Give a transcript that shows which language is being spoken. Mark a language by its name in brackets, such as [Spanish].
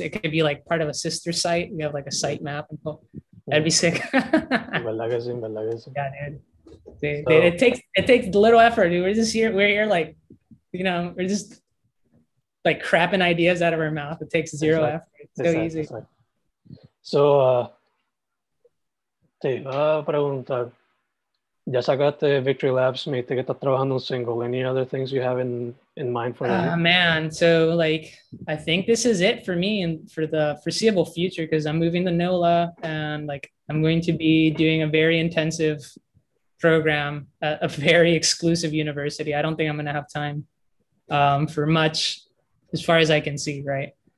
[English] It could be like part of a sister site. We have like a site map. And that'd be sick. [Spanish] Verdad que sí. [English] Yeah, dude. It takes a little effort. Dude. We're here like, you know, we're just like crapping ideas out of our mouth. It takes zero effort. It's so easy. [Spanish] So, te iba a preguntar, ya sacaste Victory Labs, me dijiste que estás trabajando un single. [English] Any other things you have in mind for that? Man, so like, I think this is it for me and for the foreseeable future, because I'm moving to NOLA and like, I'm going to be doing a very intensive program at a very exclusive university. I don't think I'm going to have time for much as far as I can see, right?